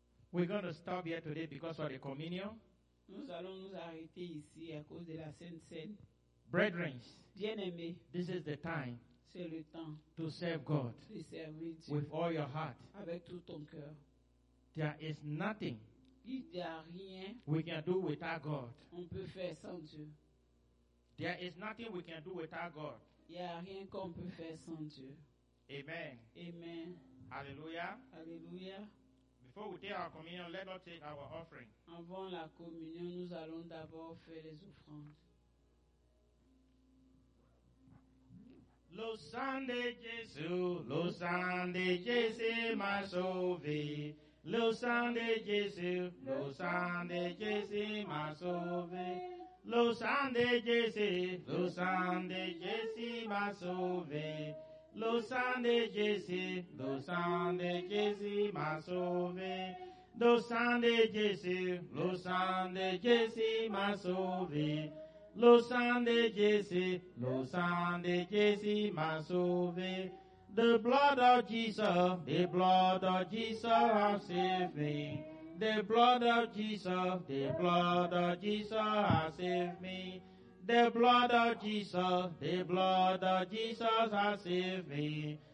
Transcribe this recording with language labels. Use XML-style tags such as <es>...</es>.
<en>We're going to stop here today because of the communion.</en> <fr>Nous allons nous arrêter ici à cause de la Sainte Cène.</fr> <en>Brethren,</en> <fr>bien-aimés,</fr> <en>this is the time.</en> <fr>C'est le temps</fr> <en>to serve God</en> <fr>de servir Dieu</fr> <en>with all your heart.</en> <fr>Avec tout ton cœur.</fr> <en>There is nothing we can do without God.</en> <fr>On peut faire sans Dieu.</fr> <en>There is nothing we can do without God.</en> <fr>Il n'y a rien qu'on peut faire sans Dieu.</fr> <en>Amen.</en> <fr>Amen.</fr> <en>Hallelujah.</en> <fr>Hallelujah.</fr> <en>Before we take our communion, let us take our offering.</en> <fr>Avant la communion, nous allons d'abord faire les offrandes. Le sang de Jésus m'a sauvé. Le sang de Jésus, le sang de Jésus m'a sauvé. Le sang de Jésus, le sang de Jésus m'a sauvé. Le sang de Jésus, le sang de Jésus m'a sauvé. Le sang de Jésus, le sang de Jésus m'a sauvé. Le sang de Jésus, le sang de Jésus m'a sauvé.</fr> <en>The blood of Jesus, the blood of Jesus has saved me. The blood of Jesus, the blood of Jesus has saved me. The blood of Jesus, the blood of Jesus has saved me.</en>